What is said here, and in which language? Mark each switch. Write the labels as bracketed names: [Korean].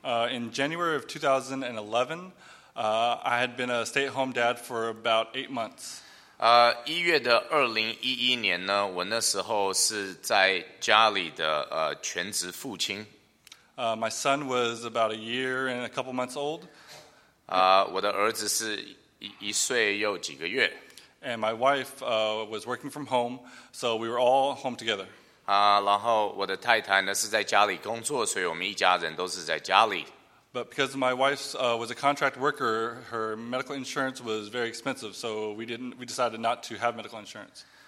[English] In January of 2011, I had been a stay-at-home dad for about 8 months. [Chinese] 1月的2011年呢, 我那时候是在家里的, 全职父亲。 [English] My son was about a year and a couple months old. [Chinese] 我的儿子是一岁又几个月。 [English] And my wife was working from home, so we were all home together. [Chinese] 然后我的太太呢, 是在家里工作, 所以我们一家人都是在家里。 [English] But because my wife was a contract worker, her medical insurance was very expensive, so we decided not to have medical insurance.